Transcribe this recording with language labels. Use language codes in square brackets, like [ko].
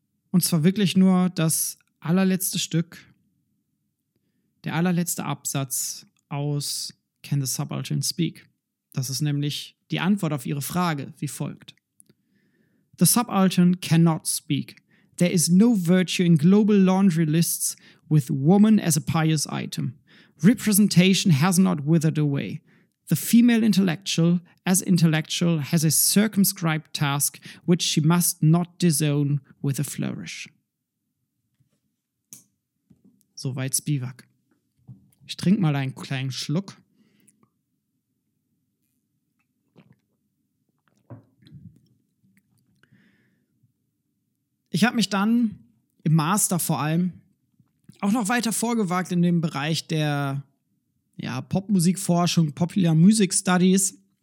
[de] Und zwar wirklich nur das allerletzte Stück, der allerletzte Absatz aus Can the Subaltern Speak? Das ist nämlich die Antwort auf ihre Frage, wie folgt. [en] The subaltern cannot speak. There is no virtue in global laundry lists with woman as a pious item. Representation has not withered away. The female intellectual, as intellectual, has a circumscribed task which she must not disown with a flourish. [de] Soweit Spivak. Ich trinke mal einen kleinen Schluck. Ich habe mich dann im Master vor allem auch noch weiter vorgewagt in dem Bereich der Popmusikforschung, Popular Music Studies.